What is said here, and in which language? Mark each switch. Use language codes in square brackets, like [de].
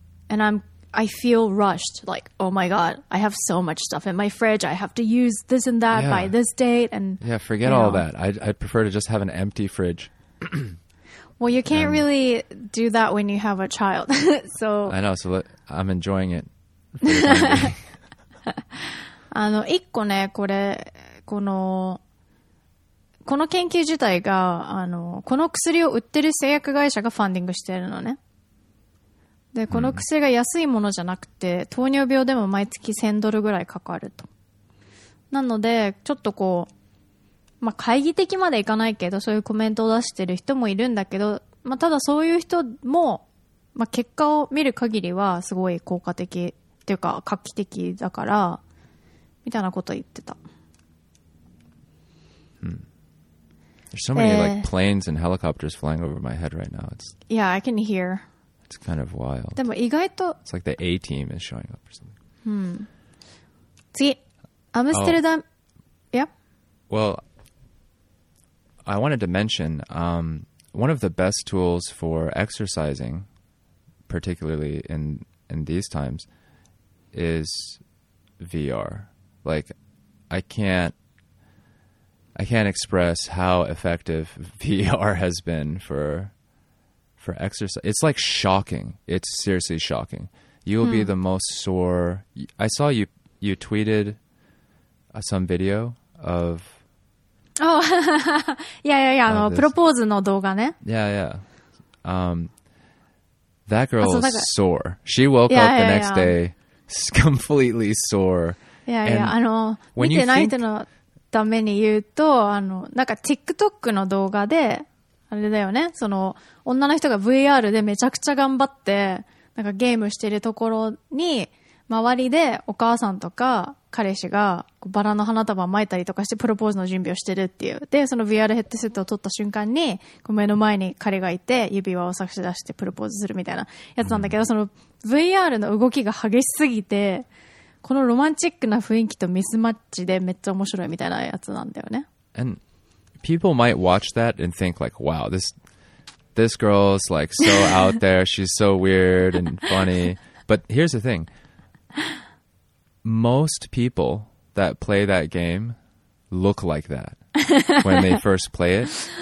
[en] And I feel rushed, like, oh my god, I have so much stuff in my fridge, I have to use this and that by this date. And yeah, forget all that. I'd prefer to just have an empty fridge. Well, you can't really do that when you have a child. So I know, so I'm enjoying it. [ja] あの、一個ね、これ、この研究自体が、あの、この薬を売ってる製薬会社がファンディングしてるのね。で、この薬が安いものじゃなくて、糖尿病でも毎月1000ドルぐらいかかると。なので、ちょっとこう、まあ、懐疑的までいかないけど、そういうコメントを出してる人もいるんだけど、まあ、ただそういう人も、まあ、結果を見る限りは、すごい効果的、っていうか、画期的だから、みたいなこと言ってた。 [en] There's so many like planes and helicopters flying over my head right now. It's, yeah, I can hear. It's kind of wild. [ja] でも意外と [en] It's like the A team is showing up or something. [ja] 次、アムステルダム、oh. [en] Yep. Well, I wanted to mention one of the best tools for exercising, particularly in these times, is VR. Like, I can't express how effective VR has been for exercise. It's like shocking. It's seriously shocking. You will be the most sore. I saw you tweeted some video of. Oh, yeah, yeah, yeah. The propose [ja] の動画ね. [en] Yeah, yeah. That girl is sore. She woke up the next day completely sore. Yeah, yeah. [ja] あの見てない人のために言うと、あのなんか TikTok の動画で、あれだよね。その女の人が VR でめちゃくちゃ頑張って、なんかゲームしてるところに周りでお母さんとか彼氏がバラの花束を巻いたりとかしてプロポーズの準備をしてるっていう。で、その VR ヘッドセットを取った瞬間に、こう目の前に彼がいて指輪を差し出してプロポーズするみたいなやつなんだけど、その VR の動きが激しすぎて、このロマンチックな雰囲気とミスマッチでめっちゃ面白いみたいなやつなんだよね。 [en] And people might watch that and think like, wow, this girl's like so out there, she's so weird and funny. But here's the thing. Most people that play that game look like that when they first play it.